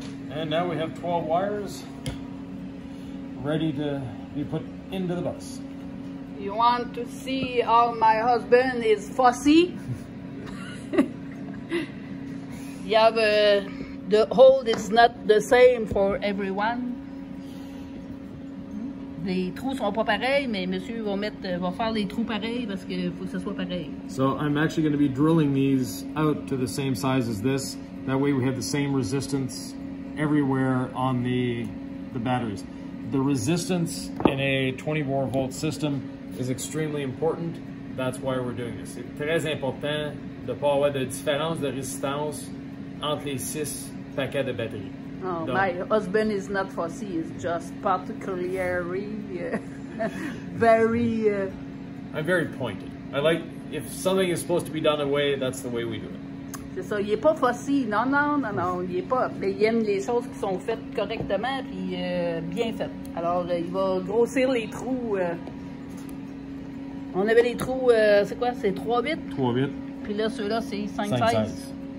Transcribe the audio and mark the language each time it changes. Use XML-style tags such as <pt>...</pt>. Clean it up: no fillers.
<en>And now we have 12 wires ready to be put into the bus. You want to see how my husband is fussy? Yeah, but the hold is not the same for everyone.</en> <fr>Les trous sont pas pareils, mais monsieur va faire les trous pareils parce que faut que ce soit pareil.</fr> <en>So I'm actually going to be drilling these out to the same size as this. That way we have the same resistance everywhere on the batteries. The resistance in a 24 volt system is extremely important. That's why we're doing this.</en> <fr>C'est très important de pas avoir de différence de résistance entre les 6 paquets de batteries.</fr> <en>Oh, my husband is not fussy, he's just particularly I'm very pointed. I like, if something is supposed to be done away, that's the way we do it.</en> <fr>C'est ça, il est pas fussy, non, il est pas. Mais il aime les choses qui sont faites correctement, puis bien faites. Alors, il va grossir les trous. On avait les trous, c'est quoi, c'est 3 bits? 3 bits. Puis là, ceux-là, c'est 5 size.</fr>